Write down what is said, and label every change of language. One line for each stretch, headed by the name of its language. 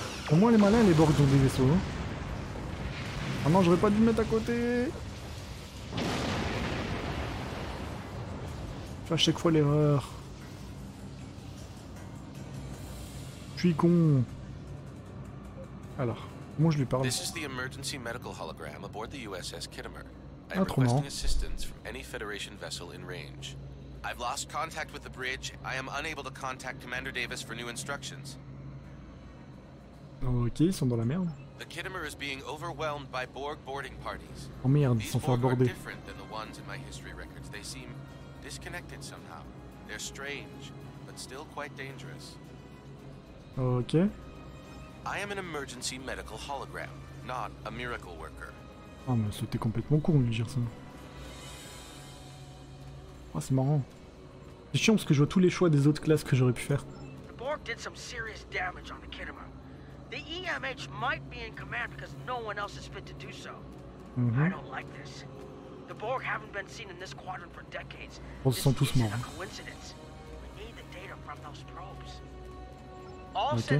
French: Au moins les malins, les borgs ont des vaisseaux. Hein. Ah non, j'aurais pas dû me mettre à côté. Fais à chaque fois l'erreur. Je suis con. Alors, moi je lui parle.
English: This is the emergency medical hologram aboard the USS Kittimer. I'm requesting assistance from any Federation vessel in range. I've lost contact with the bridge. I am unable to contact Commander Davis for new instructions.
French: OK, ils sont dans la merde.
English: The Kittimer is being overwhelmed by Borg boarding parties.
French: Oh merde, ils sont fait aborder.
English: These are different than the ones in my history records. They seem disconnected somehow. They're strange, but still quite dangerous. OK. I am an emergency medical hologram, not a miracle worker.
French: Ah mais c'était complètement con de lui dire ça. Ah c'est marrant. C'est chiant parce que je vois tous les choix des autres classes que j'aurais pu faire.
English: The Borg did some serious damage on the Kittimer. The EMH might be in command because no one else is fit to do so. Mm-hmm. I don't like this. The Borg haven't been seen in this quadrant for decades.
French: On se sent tous morts.
English: It's a coincidence. We need the data from those probes. All okay.